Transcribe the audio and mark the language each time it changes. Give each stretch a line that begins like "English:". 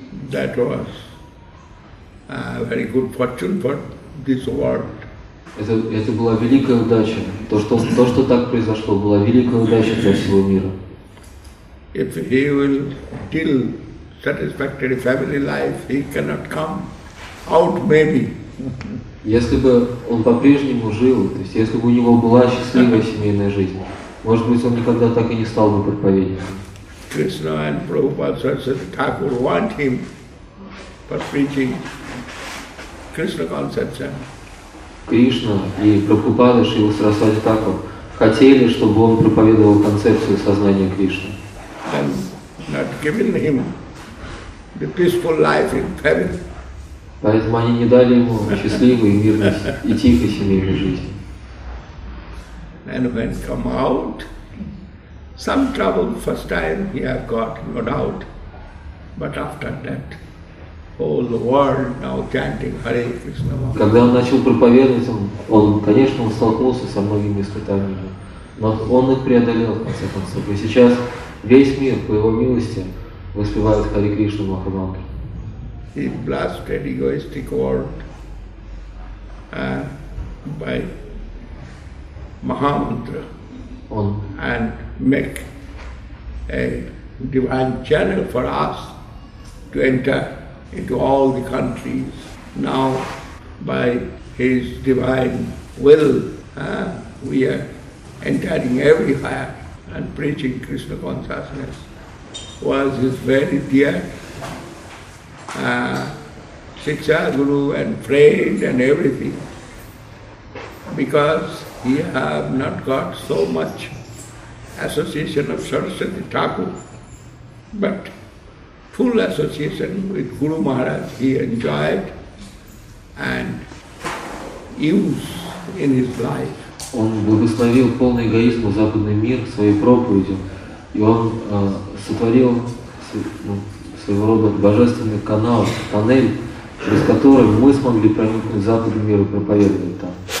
English: That was a very good fortune for this world.
Russian: Это была великая удача. То, что так произошло, была великая удача для всего мира.
English: If he will kill satisfactory family life, he cannot come out, maybe.
Russian: Если бы он по-прежнему жил, то есть если бы у него была счастливая семейная жизнь, может быть, он никогда так и не стал бы проповедником.
English: Krishna and Prabhupada Saraswati Thakur want him for preaching Krishna conception.
Russian: Кришна и Прабхупада Шрила Сарасвати Такур хотели, чтобы он проповедовал концепцию сознания Кришны.
English: And not giving him the peaceful life in heaven.
Russian: Поэтому они не дали ему счастливой и мирной и тихой семейной жизни.
English: And when come out, some trouble first time he have got, no doubt. But after that, all the world now chanting Hare Krishna.
Russian: Когда он начал проповедовать, он конечно, он столкнулся со многими испытаниями, но он их преодолел в конце концов. И сейчас весь мир, по его милости, воспевает Хари Кришну Махамантру.
English: He blasted egoistic world by Mahamantra and make a divine channel for us to enter into all the countries. Now, by his divine will, we are entering everywhere and preaching Krishna consciousness. Was his very dear Shiksha Guru and friend and everything, because he have not got so much association of Saraswati Thakur, but full association with Guru Maharaj he enjoyed and used in his life.
Russian: Он благословил полный эгоизм западный мир своей проповедью, и он сотворил своего рода божественный канал, панель, через который мы смогли проникнуть в западный мир и проповедовать там.